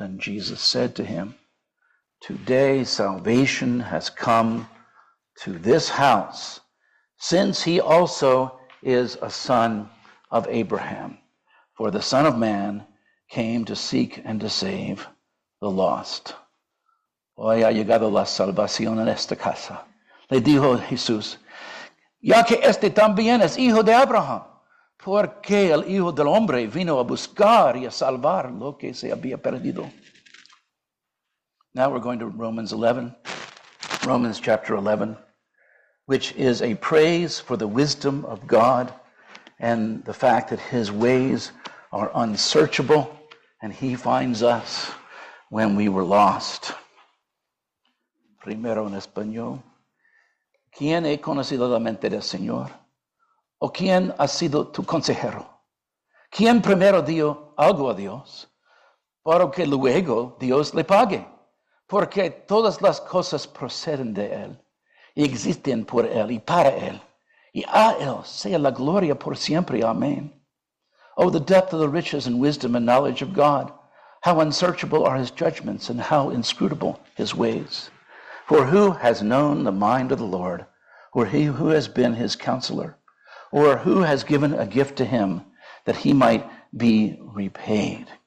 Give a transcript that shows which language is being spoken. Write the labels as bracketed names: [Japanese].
[English] And Jesus said to him, Today salvation has come to this house, since he also is a son of Abraham. For the Son of Man came to seek and to save the lost. [Spanish] Hoy ha llegado la salvación en esta casa. Le dijo Jesús, ya que este también es hijo de Abraham, porque el Hijo del Hombre vino a buscar y a salvar lo que se había perdido. [English] Now we're going to Romans 11, Romans chapter 11. Which is a praise for the wisdom of God and the fact that his ways are unsearchable and he finds us when we were lost. [Spanish] Primero en español. ¿Quién he conocido la mente del Señor? ¿O quién ha sido tu consejero? ¿Quién primero dio algo a Dios? Para que luego Dios le pague. Porque todas las cosas proceden de Él y existen por Él y para Él. Y a Él sea la gloria por siempre. Amén. [English] Oh, the depth of the riches and wisdom and knowledge of God. How unsearchable are His judgments and how inscrutable His ways. For who has known the mind of the Lord? Or he who has been His counselor? Or who has given a gift to Him that He might be repaid?